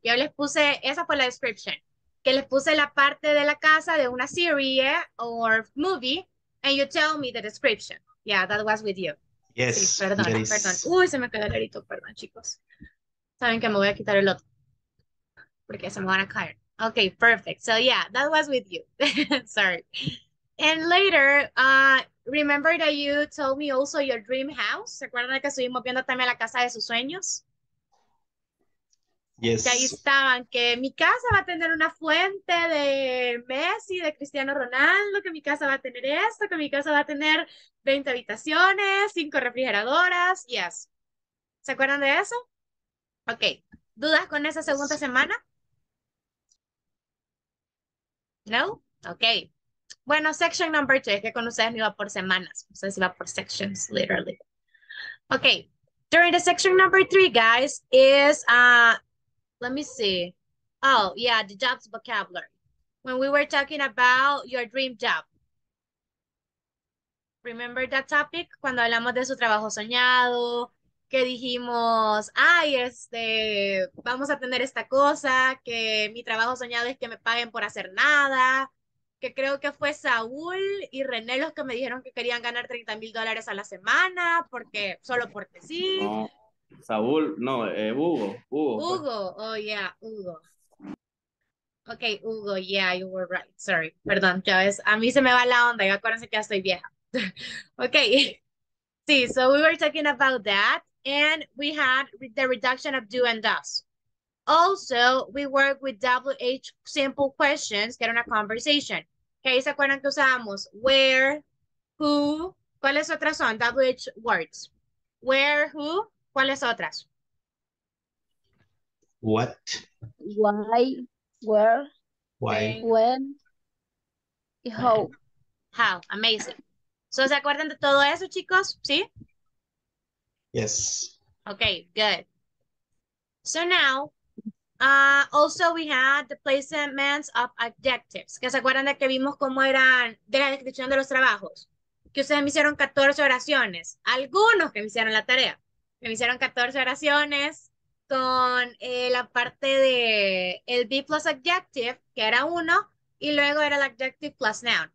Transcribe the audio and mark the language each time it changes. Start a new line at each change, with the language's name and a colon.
Spanish: Yo les puse, esa fue la description, que les puse la parte de la casa de una serie o movie,
English: and you tell me the description. Yeah, that was with you.
Spanish: Sí,
English: Yes,
Spanish: perdón,
English: there
Spanish: perdón.
English: is.
Spanish: Uy, se me quedó el arito, perdón, chicos. Saben que me voy a quitar el otro, porque se me van a caer.
English: Ok, perfect. So yeah, that was with you. Sorry. And later, remember that you told me also your dream house?
Spanish: ¿Se acuerdan de que estuvimos viendo también la casa de sus sueños? Que ahí
English: Yes.
Spanish: estaban, que mi casa va a tener una fuente de Messi, de Cristiano Ronaldo, que mi casa va a tener esto, que mi casa va a tener 20 habitaciones, 5 refrigeradoras, yes. ¿Se acuerdan de eso? Ok, ¿dudas con esa segunda
English: Yes.
Spanish: semana? No, ok. Bueno,
English: section number two,
Spanish: es que con ustedes no iba por semanas, ustedes iba por sections, literally.
English: Ok, during the section number three, guys, is, let me see. Oh, yeah, the jobs vocabulary. When we were talking about your dream job. Remember that topic?
Spanish: Cuando hablamos de su trabajo soñado, que dijimos, ay, vamos a tener esta cosa, que mi trabajo soñado es que me paguen por hacer nada. Que creo que fue Saúl y René los que me dijeron que querían ganar 30 mil dólares a la semana, porque solo porque sí. No, Saúl, no, Hugo. Hugo.
English: Hugo, oh yeah, Hugo. Ok, Hugo, yeah, you were right.
Spanish: Sorry, perdón, ya ves, a mí se me va la onda, y acuérdense que ya estoy vieja.
English: Ok, sí, so we were talking about that, and we had the reduction of do and does. Also, we work with WH simple questions,
Spanish: que era una
English: conversation.
Spanish: Okay, ¿se acuerdan que usábamos? Where, who, ¿cuáles otras son?
English: WH words. Where, who,
Spanish: ¿cuáles otras?
English: What? Why? Where? Why? When? Y how? How? Amazing. So,
Spanish: ¿se acuerdan de todo eso, chicos? ¿Sí?
English: Yes. Okay, good. So now, also we had the placements of adjectives.
Spanish: ¿Que se acuerdan de que vimos cómo eran de la descripción de los trabajos? Que ustedes me hicieron 14 oraciones. Algunos que me hicieron la tarea. Me hicieron 14 oraciones con la parte de el
English: be plus adjective,
Spanish: que era uno, y luego era el
English: adjective plus noun.